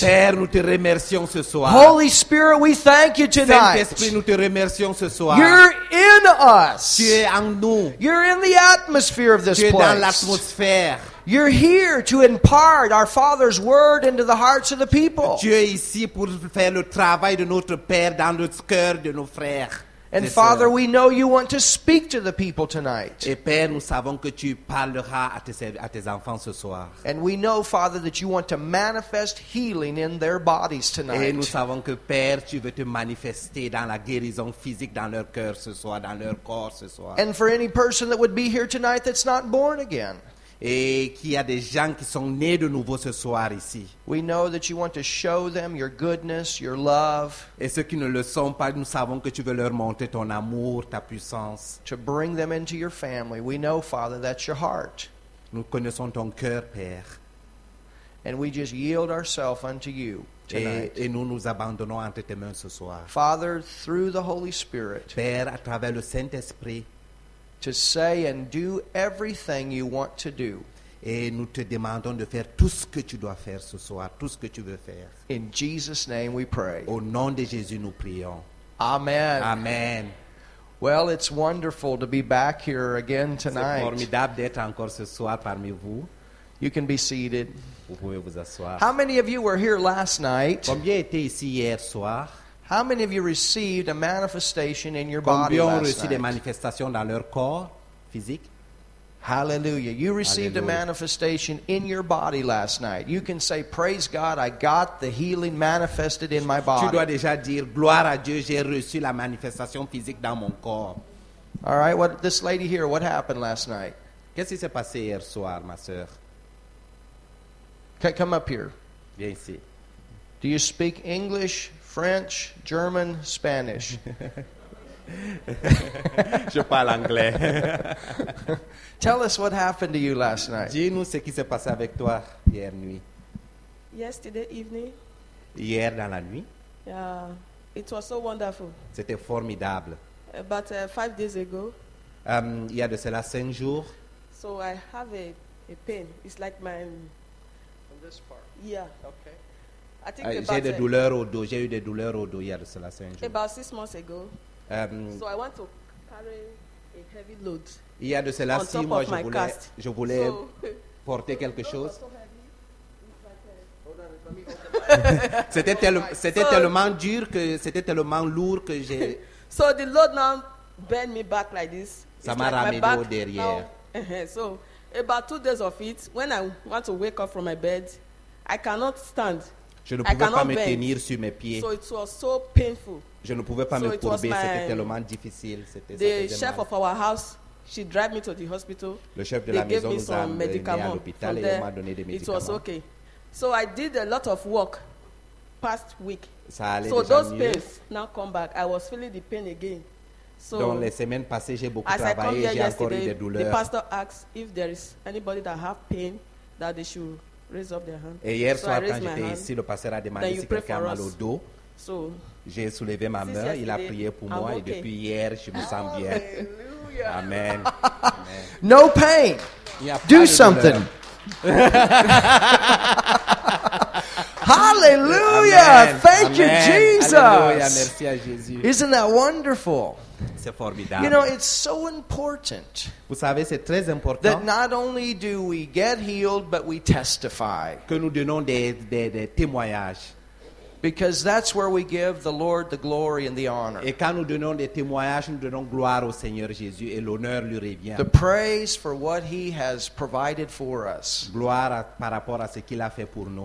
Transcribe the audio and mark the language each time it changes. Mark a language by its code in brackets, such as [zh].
[fr] Père, nous te remercions ce soir. [en] Holy Spirit, we thank you tonight. [fr] Saint-Esprit, nous te remercions ce soir. [en] You're in us. [fr] Tu es en nous. [en] You're in the atmosphere of this place. [fr] Tu es dans l'atmosphère. [en] You're here to impart our Father's word into the hearts of the people. [fr] Dieu est ici pour faire le travail de notre Père dans le cœur de nos frères. [en] And Father, we know you want to speak to the people tonight. [fr] Et Père, nous savons que tu parleras à tes enfants ce soir. [en] And we know, Father, that you want to manifest healing in their bodies tonight. [fr] Et nous savons que Père, tu veux te manifester dans la guérison physique dans leur cœur ce soir, dans leur corps ce soir. [en] And for any person that would be here tonight that's not born again. [fr] Et qu'il y a des gens qui sont nés de nouveau ce soir ici. [en] We know that you want to show them your goodness, your love. [fr] Et ceux qui ne le sont pas, nous savons que tu veux leur montrer ton amour, ta puissance. [en] To bring them into your family. We know, Father, that's your heart. [fr] Nous connaissons ton cœur, Père. [en] And we just yield ourselves unto you tonight. [fr] Et nous nous abandonnons entre tes mains ce soir. [en] Father, through the Holy Spirit. [fr] Père, à travers le Saint-Esprit. [en] To say and do everything you want to do. [fr] Et nous te demandons de faire tout ce que tu dois faire ce soir, tout ce que tu veux faire. [en] In Jesus' name we pray. [fr] Au nom de Jésus, nous prions. Amen. Amen. [en] Well, it's wonderful to be back here again tonight. [fr] C'est formidable d'être encore ce soir parmi vous. [en] You can be seated. [fr] Vous pouvez vous asseoir. [en] How many of you were here last night? [fr] Combien étaient ici hier soir? [en] How many of you received a manifestation in your [fr] Combien [en] body last night? [fr] Combien ont reçu des manifestations dans leur corps physique? Hallelujah. [en] You received Hallelujah. A manifestation in your body last night. You can say, praise God, I got the healing manifested in my body. [fr] Tu dois déjà dire, gloire à Dieu, j'ai reçu la manifestation physique dans mon corps. [en] All right, what this lady here, what happened last night? [fr] Qu'est-ce qui s'est passé hier soir, ma sœur? [en] Come up here. [fr] Viens ici. [en] Do you speak English, French, German, Spanish? [fr] Je parle anglais. [en] Tell us what happened to you last night. [fr] Dis-nous ce qui s'est passé avec toi hier nuit. [en] Yesterday evening. [fr] Hier dans la nuit. [en] Yeah, it was so wonderful. [fr] C'était formidable. [en] About 5 days ago. [fr] Il y a de cela 5 jours. [en] So I have a pain. It's like my. On this part. Yeah. Okay. I think [fr] j'ai des douleurs au dos. J'ai eu des douleurs au dos hier de cela 5 jours. [en] About 6 months ago. So I want to carry a heavy load. [fr] Il y a de cela 6 mois, je voulais [en] so, [fr] porter quelque chose. C'était tellement dur que c'était tellement lourd que j'ai. [en] So the load now bend me back like this. [fr] Ça m'a [en] like [fr] ramé de haut derrière. [en] So about 2 days of it, when I want to wake up from my bed, I cannot stand. [fr] Je ne pouvais pas me tenir sur mes pieds. [en] So it was so painful. [fr] Je ne pouvais pas me courber. C'était tellement difficile. [en] Chef of our house, she drove me to the hospital. [fr] Le chef de la maison nous a amené à l'hôpital et m'a donné des médicaments. [en] It was okay. So I did a lot of work past week. [fr] Ça allait [en] so those pains now come back. I was feeling the pain again. So [fr] dans les semaines passées, j'ai beaucoup travaillé et j'ai encore eu des douleurs. [en] The pastor asked if there is anybody that have pain that they should raise up their hand. [fr] Et hier soir, quand j'étais ici, le pasteur a demandé si quelqu'un a mal au dos. [en] So, [fr] j'ai soulevé ma main, il a prié pour moi et depuis hier, je me sens bien. Hallelujah. Amen. [en] No pain. Do something. Hallelujah. Amen. Thank Amen. You, Jesus. [fr] Alleluia. Merci à Jésus. [en] Isn't that wonderful? [fr] C'est formidable. [en] You know, it's so important. [fr] Vous savez, c'est très important. [en] That not only do we get healed, but we testify. [fr] Que nous donnons des témoignages. [en] Because that's where we give the Lord the glory and the honor. [fr] Et quand nous donnons des témoignages, nous donnons gloire au Seigneur Jésus et l'honneur lui revient. [en] The praise for what he has provided for us. [fr] Gloire par rapport à ce qu'il a fait pour nous.